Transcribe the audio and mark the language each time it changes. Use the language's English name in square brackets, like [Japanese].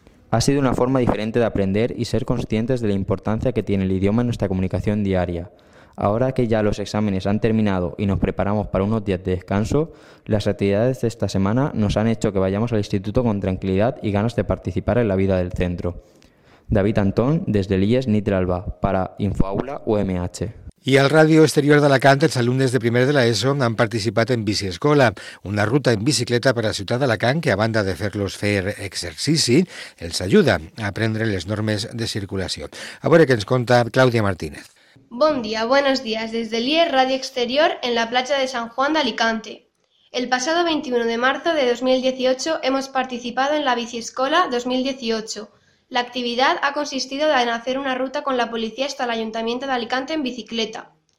[Spanish] Ha sido una forma diferente de aprender y ser conscientes de la importancia que tiene el idioma en nuestra comunicación diaria. Ahora que ya los exámenes han terminado y nos preparamos para unos días de descanso, las actividades de esta semana nos han hecho que vayamos al instituto con tranquilidad y ganas de participar en la vida del centro. David Antón, desde el IES Nitralba, para InfoAula UMH. [Catalan] I al Ràdio Exterior d'Alacant, els alumnes de primer de l'ESO han participat en Biciescola, una ruta en bicicleta per a Ciutat d'Alacant que, a banda de fer-los fer exercici, els ajuda a aprendre les normes de circulació. A veure què ens conta Clàudia Martínez. Bon dia, [Spanish] buenos días, desde el IES Ràdio Exterior en la platja de San Juan d'Alicante. El pasado 21 de marzo de 2018 hemos participado en la Biciescola 2018, La actividad ha consistido en hacer una ruta con la policía hasta el Ayuntamiento de Alicante en bicicleta.